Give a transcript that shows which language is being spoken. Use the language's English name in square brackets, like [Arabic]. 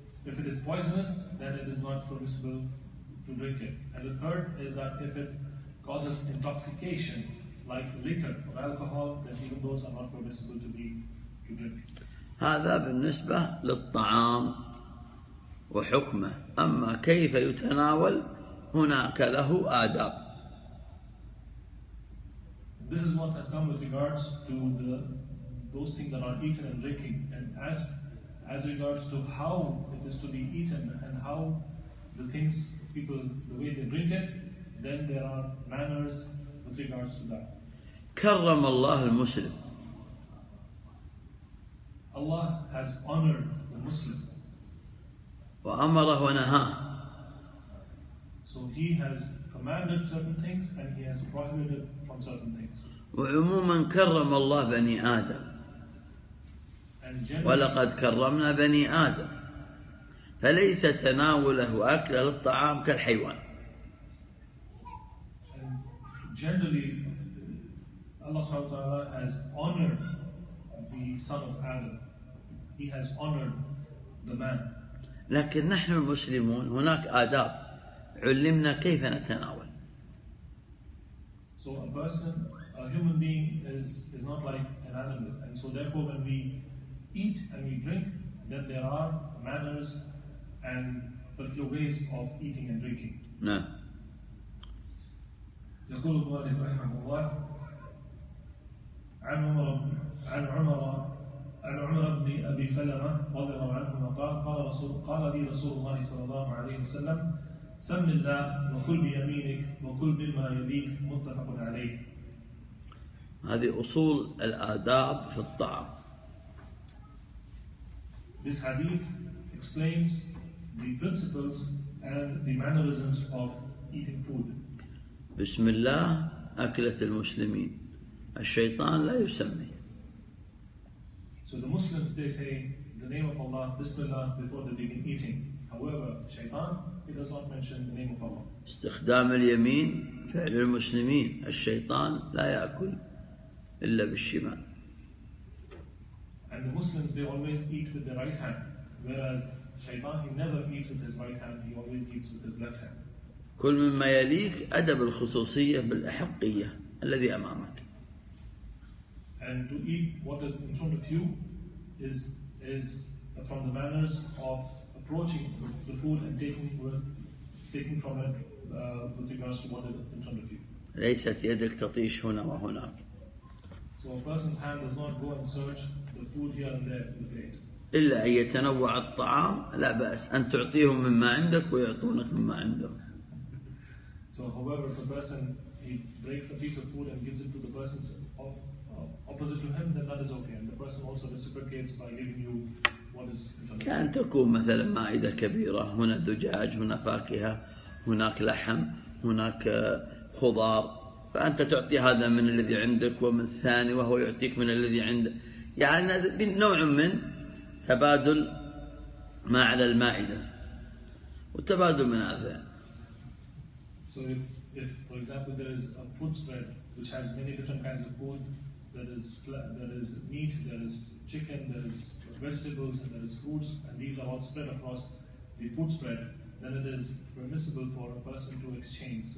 [English] If it is poisonous, then it is not permissible to drink it. And the third is that if it causes intoxication, like liquor or alcohol, then even those are not permissible to drink. [Arabic] هذا بالنسبة للطعام وحكمه. أما كيف يتناول هناك له آداب. [English] This is what has come with regards to the those things that are eaten and drinking, and as regards to how it is to be eaten and how the things people the way they drink it, then there are manners with regards to that. [Arabic] كرم الله المسلم. [English] Allah has honored the Muslim. [Arabic] وأمره ونهاه. [English] So He has commanded certain things and He has prohibited from certain things. [Arabic] وعموما كرم الله بني آدم. ولقد كرمنا بني آدم فليس تناوله أكل للطعام كالحيوان. [English] Generally, Allah سبحانه وتعالى has honored the son of Adam. He has honored the man. [Arabic] لكن نحن المسلمون هناك آداب علمنا كيف نتناول. [English] So a person, a human being is not like an animal, and so therefore when we eat and we drink, that there are manners and particular ways of eating and drinking. No. [Arabic] يقول المؤلف رحمه الله عن عمر بن أبي سلمة رضي الله عنهما قال لي رسول الله صلى الله عليه وسلم سم الله وكل بيمينك وكل بما يبيك متفق عليه. هذه أصول الآداب في الطعام. [English] This hadith explains the principles and the mannerisms of eating food. [Arabic] بسم الله أكلة المسلمين الشيطان لا يسمي. [English] So the Muslims, they say the name of Allah, Bismillah, before they begin eating. However, Shaitan, he does not mention the name of Allah. [Arabic] استخدام اليمين فعل المسلمين. الشيطان لا يأكل إلا بالشمال. [English] And the Muslims, they always eat with their right hand. Whereas Shaitan, he never eats with his right hand. He always eats with his left hand. [Arabic] كل مما يليك أدب الخصوصية بالأحقية الذي أمامك. [English] And to eat what is in front of you is from the manners of approaching the food and taking from it with regards to what is in front of you. [Arabic] ليست يدك تطيش هنا وهناك. [English] So a person's hand does not go and search the food here and there in the plate. [Arabic] إلا أن يتنوع الطعام لا بأس أن تعطيهم مما عندك ويعطونك مما عندهم. [English] So however, if a person he breaks a piece of food and gives it to the person opposite to him, then that is okay. And the person also reciprocates by giving you what is in front of him. [Arabic] كان تكون مثلا مائدة كبيرة هنا دجاج هنا فاكهة هناك لحم هناك خضار فأنت تعطي هذا من الذي عندك ومن الثاني وهو يعطيك من الذي عنده يعني نوع من تبادل ما على المائدة وتبادل منافع. [English] So if for example there is a food spread which has many different kinds of food, there is meat, there is chicken, there is vegetables and there is fruits, and these are all spread across the food spread, then it is permissible for a person to exchange.